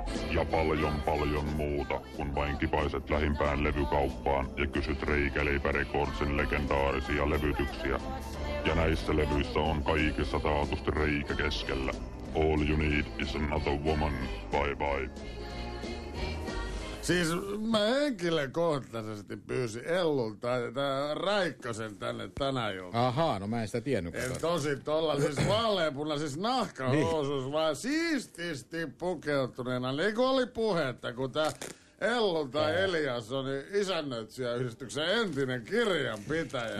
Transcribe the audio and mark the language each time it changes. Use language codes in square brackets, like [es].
[fi] Ja paljon paljon muuta, kun vain kipaiset lähimpään levykauppaan ja kysyt Reikäleipä Recordsin legendaarisia levytyksiä. Ja näissä levyissä on kaikissa taatusti reikä keskellä. [en] All you need is another woman. Bye bye. [fi] Siis mä henkilökohtaisesti pyysin Ellulta Raikkosen tänne tänä jouluna. Ahaa, no mä en sitä tiennyt. En tosi tolla, siis vaaleanpunainen, siis nahkahousus, vaan siististi pukeutuneena, niin kuin oli puhetta, kun tää Ellulta Elias on isännöitsijäyhdistyksen entinen kirjanpitäjä.